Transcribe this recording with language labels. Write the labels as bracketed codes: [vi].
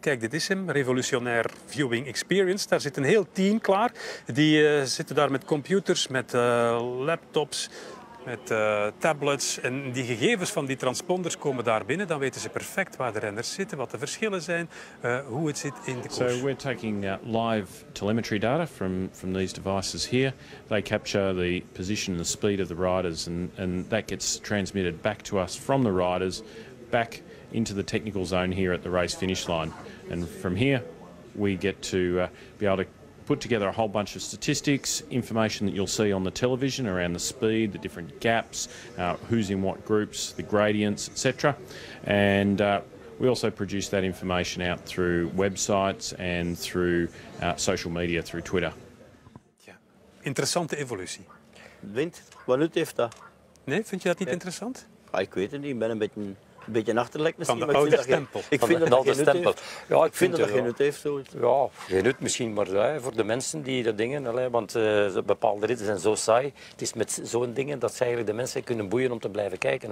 [nl] Kijk, dit is hem, Revolutionair Viewing Experience. Daar zit een heel team klaar. Die zitten daar met computers, met laptops, met tablets. En die gegevens van die transponders komen daar binnen. Dan weten ze perfect waar de renners zitten, wat de verschillen zijn, hoe het zit in de koers. [en] So we're taking live telemetry data from these devices here. They capture the position and the speed of the riders and that gets transmitted back to us from the riders back into the technical zone here at the race finish line. And from here, we get to be able to put together a whole bunch of statistics, information that you'll see on the television around the speed, the different gaps, who's in what groups, the gradients, etc. And we also produce that information out through websites and through social media, through Twitter. [nl] Yeah. Interessante evolutie. Wind, wat nut heeft dat? Nee, vind je dat niet interessant? Ah, ik weet het niet, ik ben een beetje een beetje een achterlek misschien. Van de oude stempel. Ik vind dat geen nut heeft. Ja, ik vind dat geen nut heeft. Ja, geen nut misschien, maar voor de mensen die dat dingen. Want bepaalde ritten zijn zo saai. Het is met zo'n dingen dat ze eigenlijk de mensen kunnen boeien om te blijven kijken.